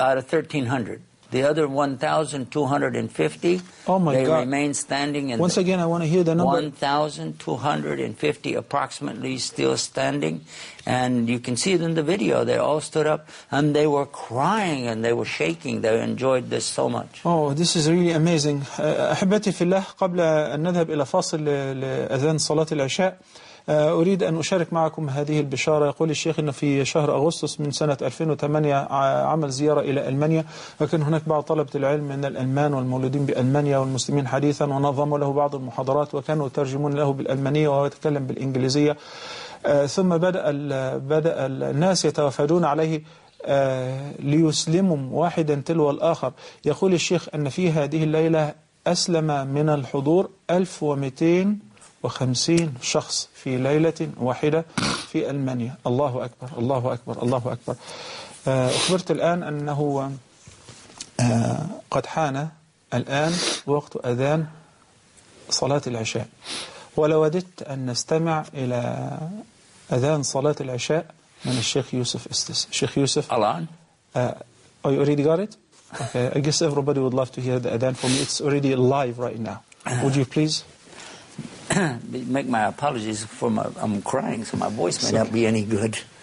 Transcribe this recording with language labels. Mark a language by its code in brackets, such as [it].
[en] Out of 1,300. The other 1,250, oh my God, remained standing. Once again, I want to hear the number. 1,250 approximately still standing. And you can see it in the video. They all stood up and they were crying and they were shaking. They enjoyed this so much. Oh, this is really amazing. [ar] أحبتي في الله قبل أن نذهب إلى فاصل لأذان صلاة العشاء. أريد أن أشارك معكم هذه البشارة. يقول الشيخ أنه في شهر أغسطس من سنة 2008 عمل زيارة إلى ألمانيا، وكان هناك بعض طلبة العلم من الألمان والمولودين بألمانيا والمسلمين حديثا، ونظموا له بعض المحاضرات وكانوا ترجمون له بالألمانية وهو يتكلم بالإنجليزية. ثم بدأ الناس يتوافدون عليه ليسلموا واحدا تلو الآخر. يقول الشيخ أن في هذه الليلة أسلم من الحضور 1250 شخص في ليلة واحدة في ألمانيا. الله أكبر، الله أكبر، الله أكبر. أخبرت الآن أنه قد حان الآن وقت أذان صلاة العشاء، ولو أردت أن نستمع إلى أذان صلاة العشاء من الشيخ يوسف استس. الشيخ يوسف الآن [en] are you already got it? Okay. I guess everybody would love to hear the Adhan from me. It's already live right now. Would you please make my apologies for my... I'm crying, so my voice may not be any good.